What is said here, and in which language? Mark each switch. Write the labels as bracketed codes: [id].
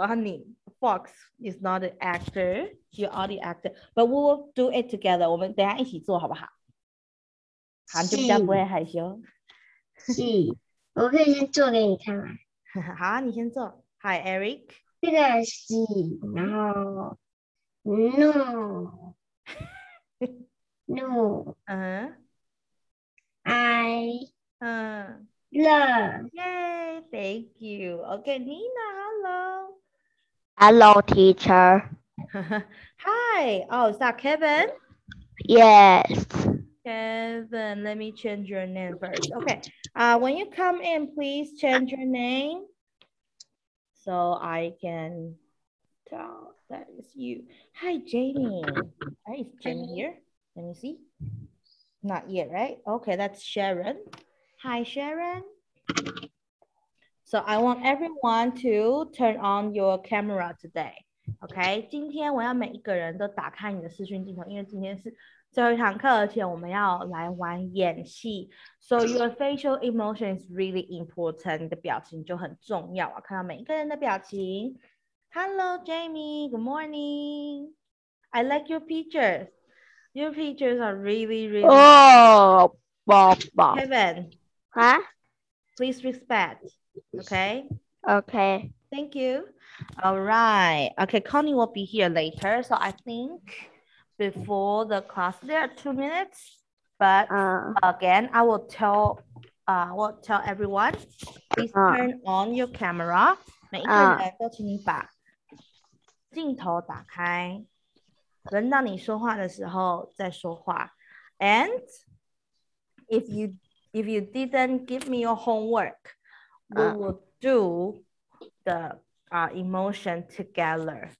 [zh] 然后你 [en] Fox is not an actor, you are the actor. But we will do it together. [zh] 我们等一下一起做好不好？好，就比较不会害羞。是，我可以先做给你看吗？好，你先做。 [en] Hi, Eric。 [zh] 这个是，然后 [en] no no，嗯、，I 嗯。 Love. Yay, thank you. Okay, Nina, hello. Hello, teacher. Hi. Oh, is that Kevin? Yes. Kevin, let me change your name first. Okay. When you come in, please change your name so I can tell that is you. Hi, Jamie. Hi, is Jamie here? Let me see. Not yet, right? Okay, that's Sharon. Hi, Sharon. So I want everyone to turn on your camera today. [zh] Okay, 今天我要每一个人都打开你的视讯镜头，因为今天是最后一堂课，而且我们要来玩演戏。 [en] So your facial emotion is really important. [zh] 你的表情就很重要啊，看到每一个人的表情。 [en] Hello, Jamie. Good morning. I like your pictures. Your pictures are really, really. Oh, Bob, Bob. Kevin. Huh? Please respect. Okay. Okay. Thank you. All right. Okay. Connie will be here later. So I think before the class, there are 2 minutes. But again, I will tell everyone. Please turn on your camera. [zh] 每一个人都请你把镜头打开。轮到你说话的时候再说话。 [en] And if you didn't give me your homework, we will do the emotion together.